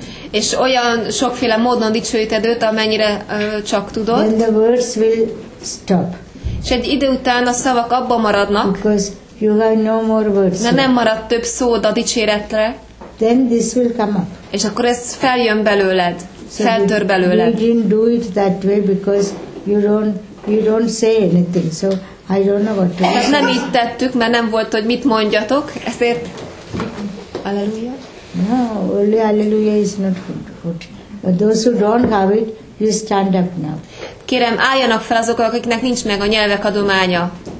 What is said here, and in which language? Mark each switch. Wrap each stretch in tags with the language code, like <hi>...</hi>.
<hu>És olyan sokféle módon dicsőíted őt, amennyire csak tudod.</hu> <en>Then the words will stop.</en> <hu>És egy idő után a szavak abban maradnak,</hu> <en>you have no more words,</en> <hu>mert nem maradt több szód a dicséretre,</hu> <en>then this will come up.</en> <hu>És akkor ez feljön belőled, so feltör belőled.</hu> <en>You didn't do it that way because you don't say anything, so I don't know what to say.</en> <hu>Nem így tettük, mert nem volt, hogy mit mondjatok, ezért Alleluia.</hu> <en>No, only Alleluia is not good. But those who don't have it, you stand up now.</en> <hu>Kérem, álljanak fel azok, akiknek nincs meg a nyelvek adománya.</hu>